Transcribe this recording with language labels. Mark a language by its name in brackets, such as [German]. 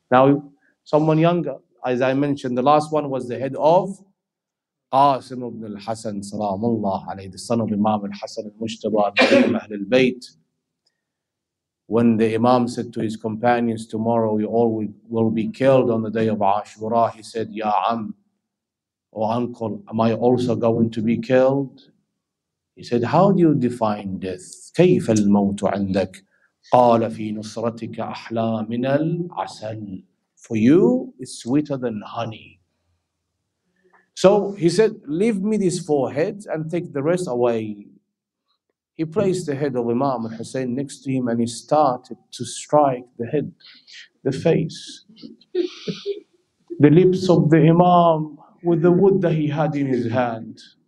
[English] Now, someone younger, as I mentioned, the last one was the head of Qasim ibn al-Hasan, salamullah alayhi, the son of Imam al-Hasan al-Mujtaba, Imam Ahl al-Bayt. When the Imam said to his companions, tomorrow we all will be killed on the day of Ashura, he said, Ya Am, O uncle, am I also going to be killed? He said, how do you define death? [Arabic] كيف الموت عندك؟ قال في نصرتك أحلى من العسل. [English] For you, it's sweeter than honey. So he said, leave me these four heads and take the rest away. He placed the head of Imam Hussein next to him and he started to strike the head, the face, the lips of the Imam with the wood that he had in his hand.